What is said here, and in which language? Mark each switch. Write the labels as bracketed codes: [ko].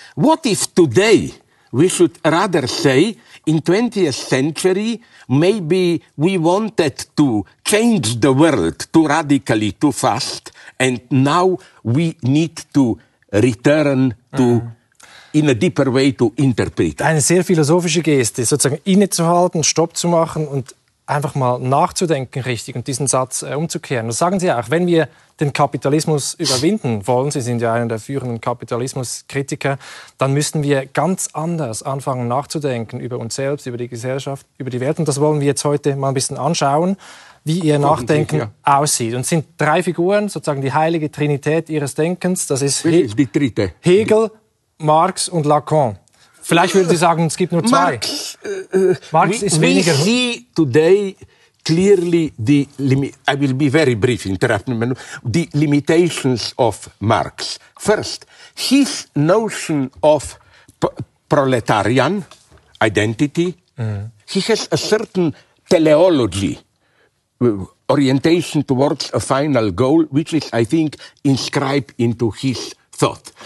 [en] What if today we should rather say, in 20th century, maybe we wanted to change the world too radically, too fast, and now we need to return to, in a deeper way, to interpret. [de] Eine sehr philosophische Geste, sozusagen innezuhalten, Stopp zu machen und einfach mal nachzudenken richtig und diesen Satz umzukehren. Das sagen Sie auch, wenn wir den Kapitalismus überwinden wollen, Sie sind ja einer der führenden Kapitalismuskritiker, dann müssen wir ganz anders anfangen nachzudenken über uns selbst, über die Gesellschaft, über die Welt. Und das wollen wir jetzt heute mal ein bisschen anschauen, wie Ihr Nachdenken aussieht. Und es sind drei Figuren, sozusagen die heilige Trinität Ihres Denkens. Das ist die dritte. Hegel, Marx und Lacan. Vielleicht würden Sie sagen, es gibt nur zwei. Marx ist weniger. [en] We see today clearly the I will be very brief, interrupting me, the limitations of Marx. First, his notion of proletarian identity, he has a certain teleology, orientation towards a final goal, which is, I think, inscribed into his thought.